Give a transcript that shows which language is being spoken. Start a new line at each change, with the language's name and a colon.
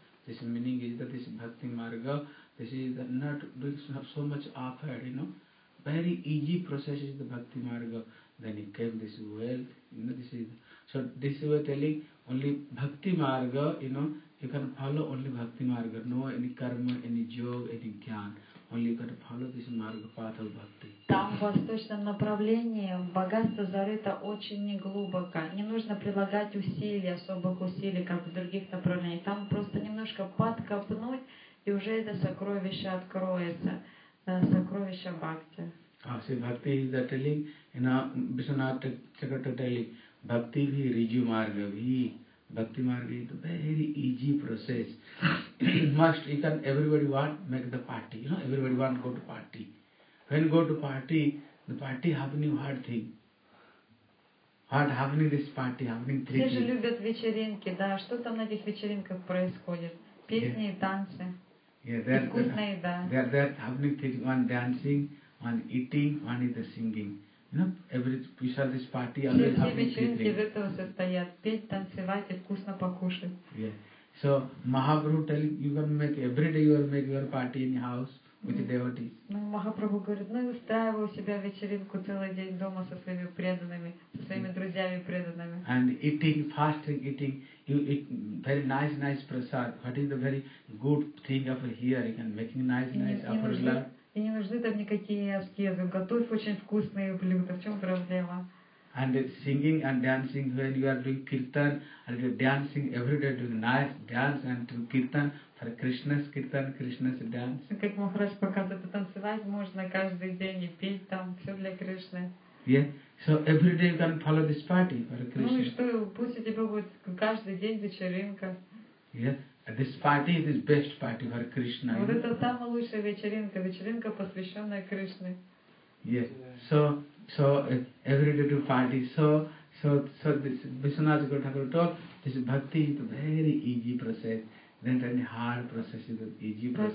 English: This meaning is that this Bhakti Marga, this is the, not doing so much effort, you know, very easy process is the Bhakti Marga, then he came this wealth, you know, this is, so this we are telling, only Bhakti Marga, you know, you can follow only Bhakti Marga, no any karma, any yoga, any jnana. Only you can follow this Marga path of Bhakti.
Russian: Там, в восточном направлении, богатство зарыто очень неглубоко. Не нужно прилагать усилий, особых усилий, как в других направлениях. Там просто немножко подкопнуть, и уже это сокровище откроется. Сокровище Бхакти.
English: See, Bhakti is the telling, you know, Vishwanath Chakrata telling, Bhakti vi Riju Marga vi. Bhakti Marga is a very easy process. Must, you can, everybody want to make the party, you know, everybody want to go to party. When go to party, the party happening hard thing. What happening this party, happening three
Russian: things. Все же любят вечеринки, да, что там на этих вечеринках происходит? Песни и танцы.
English: Yeah, they're happening things, one dancing, one eating, one is the singing. You know, every piece of this party, I'm going to have been eating. So, Mahaprabhu telling you can make, every day you will make your party in your house with the devotees.
Russian: Mahaprabhu говорит, ну и устраивай у себя вечеринку целый день дома со своими преданными, со своими друзьями преданными.
English: And eating, fasting, eating, you eat very nice prasad. What is the very good thing of here? You can make nice aparla.
Russian: И не нужны там никакие аскезы. Готовь очень вкусные блюда. В чем проблема?
English: And singing and dancing, when you are doing kirtan, and you're dancing every day, doing nice dance and to kirtan, for Krishna's kirtan, Krishna's dance.
Russian: Как Махарадж показывает, танцевать можно каждый день и петь там, все для Кришны.
English: Yeah, so every day you can follow this party for Krishna.
Russian: Ну и что, пусть у тебя будет каждый день вечеринка.
English: Yeah. This party is the best party for Krishna.
Russian: Вот это самая лучшая вечеринка, вечеринка, посвященная Кришне.
English: Yes. So every day to party. So this Vishwanath Chakrabarti told, this bhakti is a very easy process. Then the hard process is the easy process.